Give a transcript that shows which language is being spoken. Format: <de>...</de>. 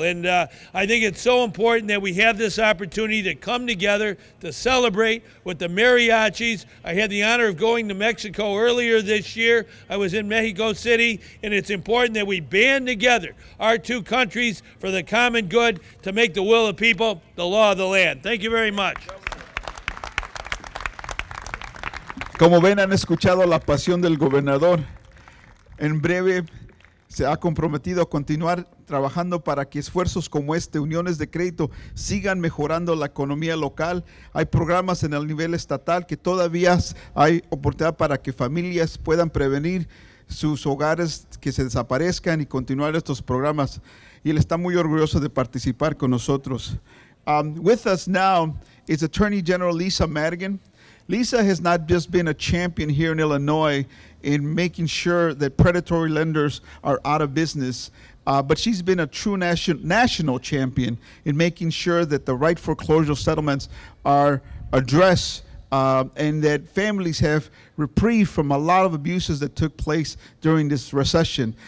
<en>And I think it's so important that we have this opportunity to come together to celebrate with the mariachis. I had the honor of going to Mexico earlier this year. I was in Mexico City, and it's important that we band together our two countries for the common good to make the will of people the law of the land. Thank you very much.</en> <es>Como ven, han escuchado la pasión del gobernador. En breve, se ha comprometido a continuar trabajando para que esfuerzos como este, uniones de crédito, sigan mejorando la economía local. Hay programas en el nivel estatal que todavía hay oportunidad para que familias puedan prevenir sus hogares que se desaparezcan y continuar estos programas. Y él está muy orgulloso de participar con nosotros.</es> <en>With us now is Attorney General Lisa Madigan. Lisa has not just been a champion here in Illinois in making sure that predatory lenders are out of business, but she's been a true national champion in making sure that the right foreclosure settlements are addressed and that families have reprieved from a lot of abuses that took place during this recession.</en>